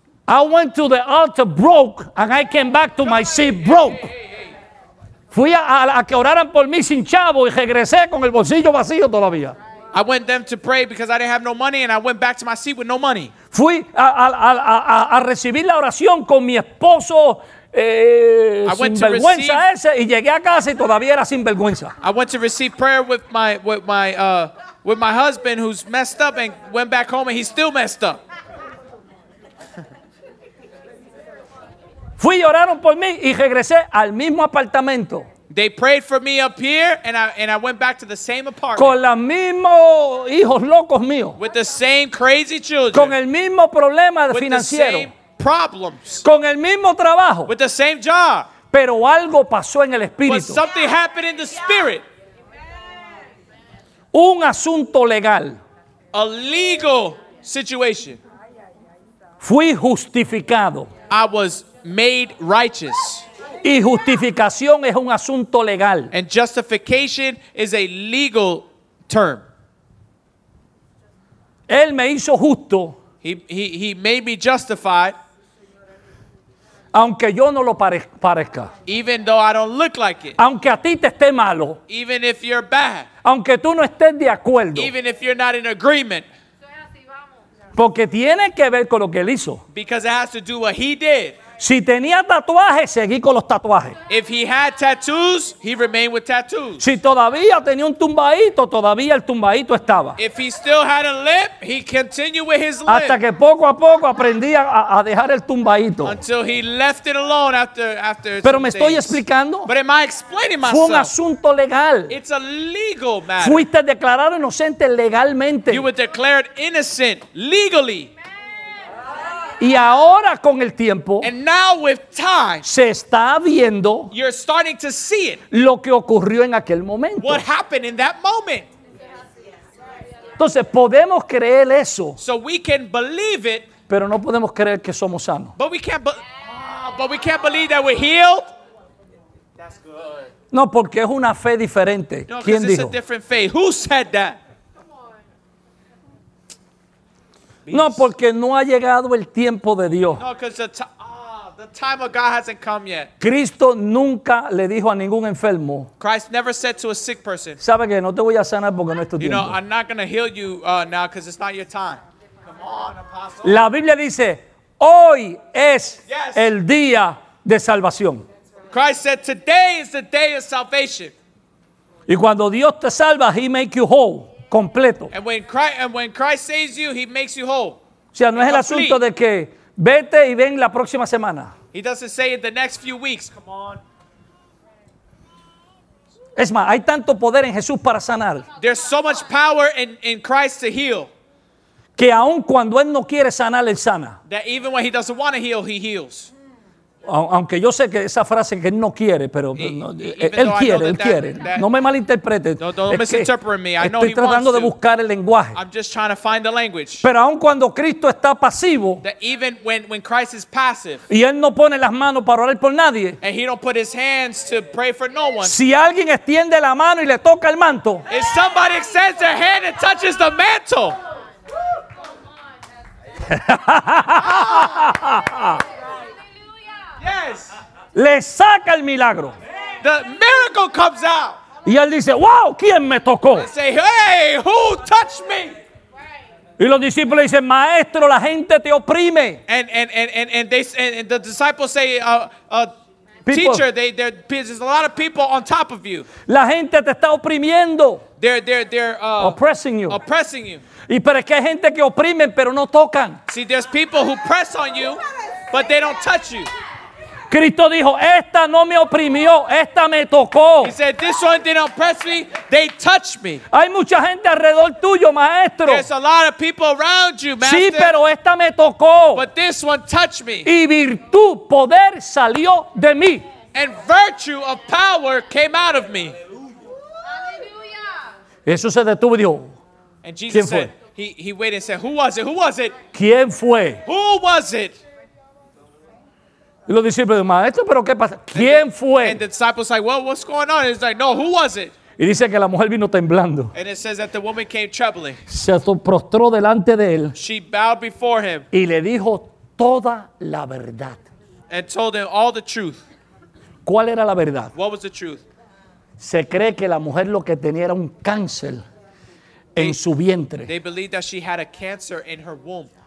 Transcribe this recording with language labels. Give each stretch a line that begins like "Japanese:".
English: I went to the altar broke and I came back to my seat broke.
Spanish: Fui a que oraran por mí sin chavo y regresé con el bolsillo vacío todavía.
English: I went them to pray because I didn't have no money and I went back to my seat with no money.
Spanish: Fui a recibir la oración con mi esposo sinvergüenza ese y llegué a casa y todavía era sinvergüenza.
English: I went to receive prayer with my husband who's messed up and went back home and he's still messed up.
Spanish: Fui, oraron por mí y regresé al mismo apartamento.
English: They prayed for me up here, and I went back to the same apartment.
Spanish: Con los mismos hijos locos míos.
English: With the same crazy children.
Spanish: Con el mismo problema financiero.
English: With the same problems.
Spanish: Con el mismo trabajo.
English: With the same job.
Spanish: Pero algo pasó en el espíritu.
English: But something happened in the spirit.
Spanish: Un asunto legal.
English: A legal situation.
Spanish: Fui justificado.
English: I was made righteous.
Spanish: Y justificación es un asunto legal.
English: And justification is a legal term.
Spanish: Él me hizo justo.
English: He made me justified.
Spanish: Aunque yo no lo parezca.
English: Even though I don't look like it.
Spanish: Aunque a ti te esté malo.
English: Even if you're bad.
Spanish: Aunque tú no estés de acuerdo.
English: Even if you're not in agreement.
Spanish: Porque tiene que ver con lo que él hizo.
English: Because it has to do what he did.
Spanish: Si tenía tatuajes, seguí con los tatuajes.
English: If he had tattoos, he remained with tattoos.
Spanish: Si todavía tenía un tumbadito, todavía el tumbadito estaba.
English: If he still had a limp, he continued with his limp.
Spanish: Hasta que poco a poco aprendí a dejar el tumbadito.
English: Until he left it alone after.
Spanish: Pero me estoy explicando.
English: But am I explaining myself?
Spanish: Fue un asunto legal.
English: It's a legal matter.
Spanish: Fuiste declarado inocente legalmente.
English: You were declared innocent legally.
Spanish: Y ahora con el tiempo
English: time,
Spanish: se está viendo
English: you're starting to see it,
Spanish: lo que ocurrió en aquel momento.
English: What happened in that moment.
Spanish: Entonces podemos creer eso,
English: so we can believe it,
Spanish: pero no podemos creer que somos sanos.
English: But we can't believe that we're healed. That's good.
Spanish: No, porque es una fe diferente. No, ¿quién dijo?
English: It's a different faith. Who said that?
Spanish: No, porque no ha llegado el tiempo de Dios.
English: No, because the time of God hasn't come yet.
Spanish: Cristo nunca le dijo a ningún enfermo.
English: Christ never said to a sick person.
Spanish: ¿Sabe qué? No te voy a sanar porque no es tu tiempo.
English: You know, I'm not going to heal you now because it's not your time. Come on, apostle.
Spanish: La Biblia dice, hoy es el día de salvación.
English: Christ said, today is the day of salvation.
Spanish: Y cuando Dios te salva,
English: he make you whole.
Spanish: Completo.
English: And when Christ saves you, he makes you whole.
Spanish: O sea, no es el asunto de que vete y ven la próxima semana.
English: He doesn't say it the next few weeks. Come on.
Spanish: Es más, hay tanto poder en Jesús para sanar.
English: There's so much power in Christ to heal.
Spanish: Que aun cuando él no quiere sanar, él sana.
English: That even when he doesn't want to heal, he heals.
Spanish: Aunque yo sé que esa frase que él no quiere, pero no, él quiere. No me malinterprete. Estoy tratando de buscar el lenguaje.
English: I'm just trying to find the language.
Spanish: Pero aun cuando Cristo está pasivo,
English: that even when Christ is passive,
Spanish: y él no pone las manos para orar por nadie,
English: and he don't put his hands to pray for no one,
Spanish: si alguien extiende la mano y le toca el manto,
English: if somebody extends their hand and touches the mantle. Yes.
Spanish: Le saca el milagro.
English: The miracle comes out.
Spanish: Y él dice, wow, ¿quién me tocó?
English: And say, hey, who touched me?
Spanish: Y los discípulos dicen, maestro, la gente te oprime.
English: And the disciples say, teacher, there's a lot of people on top of you.
Spanish: La gente te está oprimiendo.
English: They're oppressing you. Oppressing you.
Spanish: Y pero es que hay gente que oprimen, pero no tocan.
English: See, there's people who press on you, but they don't touch you.
Spanish: Cristo dijo, esta no me oprimió, esta me tocó.
English: He said, this one didn't oppress me, they touched me.
Spanish: Hay mucha gente alrededor tuyo, maestro.
English: There's a lot of people around you, master.
Spanish: Sí, pero esta me tocó.
English: But this one touched me.
Spanish: Y virtud, poder salió de mí.
English: And virtue of power came out of me.
Spanish: Eso se detuvo y dijo,
English: and
Spanish: Jesus ¿quién fue?
English: Said, he waited and said, who was it? Who was it?
Spanish: ¿Quién fue?
English: Who was it?
Spanish: Y los discípulos, maestro, ¿pero qué pasa? ¿Quién fue?
English: And the disciples like, well, what's going on? It's like, no, who was it?
Spanish: Y dice que la mujer vino temblando.
English: And it says that the woman came trembling.
Spanish: Se prostró delante de él.
English: She bowed before him.
Spanish: Y le dijo toda la verdad.
English: And told him all the truth.
Spanish: ¿Cuál era la verdad?
English: What was the truth?
Spanish: Se cree que la mujer lo que tenía era un cáncer en su vientre.
English: They believed that she had a cancer in her womb.